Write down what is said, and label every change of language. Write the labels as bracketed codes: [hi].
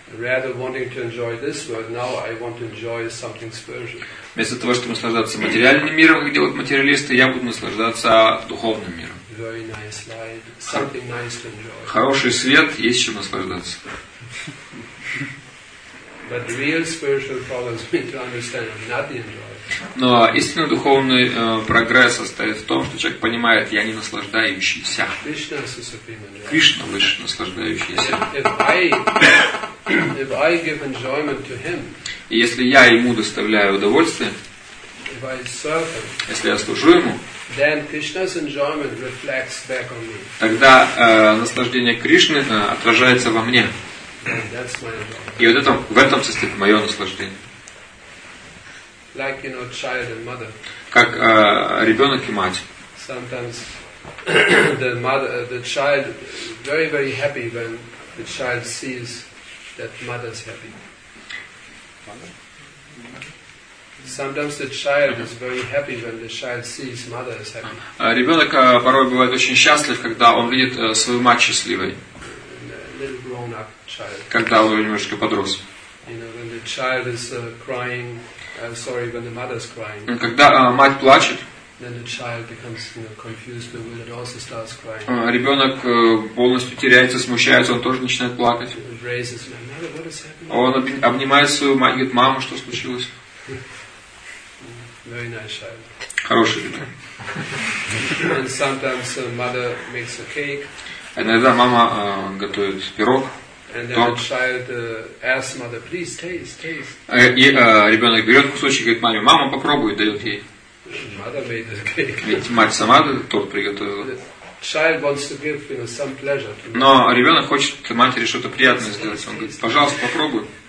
[en] Rather wanting to enjoy this world, now I want to enjoy something spiritual. [ru] Вместо того, чтобы наслаждаться материальным миром, как делают материалисты, я буду наслаждаться духовным миром. [en] Very nice light, something nice to enjoy. [ru] Хороший свет, есть чем наслаждаться. [en] But real spiritual problems we need to understand are not the enjoyment. [ru] Но истинный духовный прогресс состоит в том, что человек понимает, я не наслаждающийся. Кришна выше наслаждающийся. [en] If I give enjoyment to him, [ru] и если я ему доставляю удовольствие, [en] if I serve him, [ru] если я служу ему, [en] then Krishna's enjoyment reflects back on me. [ru] Тогда наслаждение Кришны отражается во мне. [en] That's my enjoyment. [ru] И вот это, в этом состоит мое наслаждение. [en] Like, you know, child and mother. [ru] Как ребенок и мать. [en] Sometimes the mother, the child, very, very happy when the child sees that mother's happy. Sometimes the child is very happy when the child sees mother is happy. [ru] Ребенок порой бывает очень счастлив, когда он видит свою мать счастливой. [en] Little grown-up child. [ru] Когда он немножечко подрос. [en] You know, when the child is crying. I'm sorry, when the mother's crying. [ru] Когда мать плачет, [en] then the child becomes, you know, confused, bewildered, also starts crying. [ru] Ребенок полностью теряется, смущается, он тоже начинает плакать. [en] Raises, mother, what is happening? [ru] Он обнимает свою мать, говорит, мама, что случилось? [en] Very nice child. [ru] Хороший ребенок. [en] And sometimes the mother makes a cake. [ru] Иногда мама готовит пирог. [en] And then the child asks mother, please taste. [ru] Ребенок берет кусочек и говорит маме, мама попробуй, дает ей. [en] Mother made the cake. [ru] Ведь мать сама торт приготовила. [en] Child wants to give, you know, some pleasure to. [ru] Но ребенок хочет матери что-то приятное сделать. Он говорит, пожалуйста, попробуй.